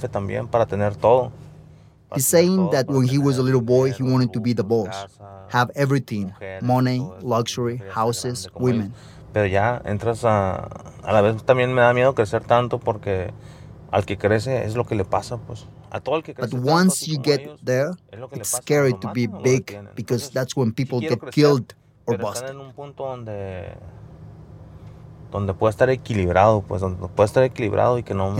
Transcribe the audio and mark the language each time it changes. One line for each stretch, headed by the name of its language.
English: He's saying that when he was a little boy, he wanted to be the boss, have everything, money, luxury, houses, women.
Spanish: Pero ya entras a la vez también me da miedo crecer tanto porque al que crece es lo que le pasa pues a todo el que crece.
English: But once you get there, it's scary to be big because that's when people get killed or busted.
Spanish: Pero están en un punto donde puede estar equilibrado, pues donde puede estar equilibrado y que no me